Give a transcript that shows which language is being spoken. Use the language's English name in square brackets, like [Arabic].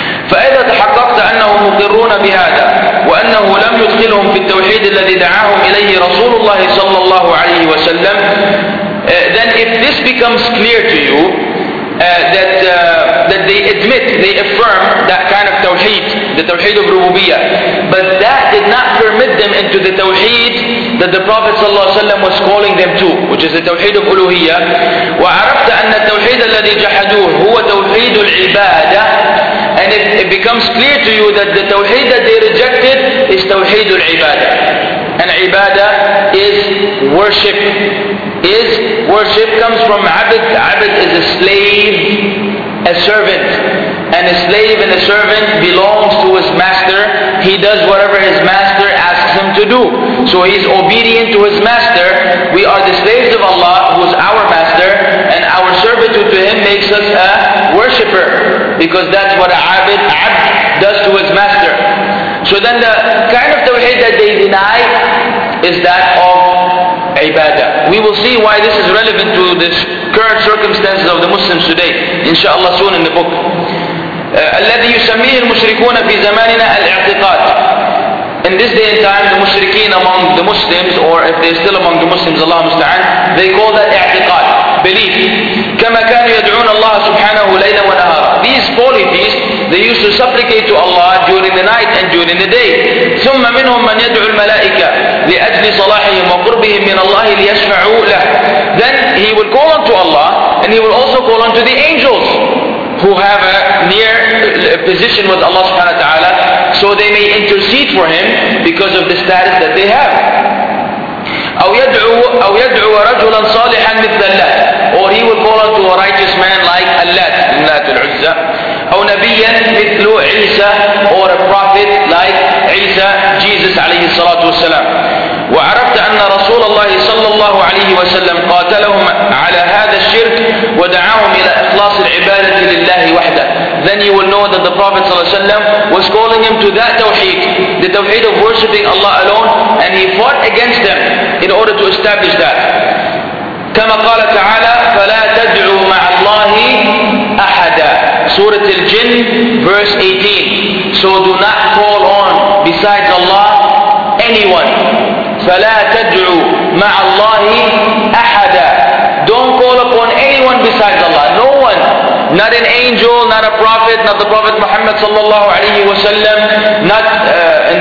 [English] فإذا تحققت أنهم مقرون بهذا وأنه لم يدخلهم في التوحيد الذي دعاهم إليه رسول الله صلى الله عليه وسلم, then if this becomes clear to you, that they admit, they affirm that kind of tawheed, the tawheed of rububiyyah, but that did not permit them into the tawheed that the Prophet صلى الله عليه وسلم was calling them to, which is the tawheed of uluhiyyah. [Arabic] وعرفت أن التوحيد الذي جحدوه هو توحيد العبادة. [English] And it becomes clear to you that the tawheed that they rejected is tawheed al-ibadah. And ibadah is worship. Is worship comes from abd. Abd is a slave, a servant. And a slave and a servant belongs to his master. He does whatever his master asks him to do. So he is obedient to his master. We are the slaves of Allah, who is our master. And our servitude to him makes us a worshipper, because that's what a abd does to his master. So then the kind of tawheed that they deny is that of ibadah. We will see why this is relevant to the current circumstances of the Muslims today, inshallah, soon in the book. [Arabic] الذي يسميه المشركون في زماننا الاعتقاد. [English] In this day and time, the mushrikeen among the Muslims, or if they're still among the Muslims, Allah musta'an, they call that i'tiqad, belief. [Arabic] كما كانوا يدعون الله سبحانه ليلا ونهارا. [English] These polytheists, they used to supplicate to Allah during the night and during the day. [Arabic] ثم منهم من يدعو الملائكة لأجل صلاحهم وقربهم من الله ليشفعوا له. [English] Then he will call unto Allah, and he will also call unto the angels, who have a near position with Allah subhanahu wa ta'ala, so they may intercede for him because of the status that they have. أو يدعو رجلا صالحا مثل اللات, or he will call unto a righteous man like اللات, اللات العزة. [Arabic] أو نبيا مثل عيسى, or a prophet like عيسى, Jesus عليه الصلاة والسلام. وعرفت أن رسول الله صلى الله عليه وسلم قاتلهم على هذا الشرك ودعاهم إلى إخلاص العبادة لله وحده. [English] Then you will know that the Prophet صلى الله عليه وسلم was calling him to that tawheed, the tawheed of worshipping Allah alone, and he fought against them in order to establish that. [Arabic] كما قال تعالى فلا تدعوا مع الله أحدا, Surah Al-Jin verse 18. [English] So do not call on besides Allah anyone. [Arabic] فلا تدعو مع الله أحدا. [English] Don't call upon anyone besides Allah. No one. Not an angel, not a prophet, not the Prophet Muhammad sallallahu alayhi wa sallam, not in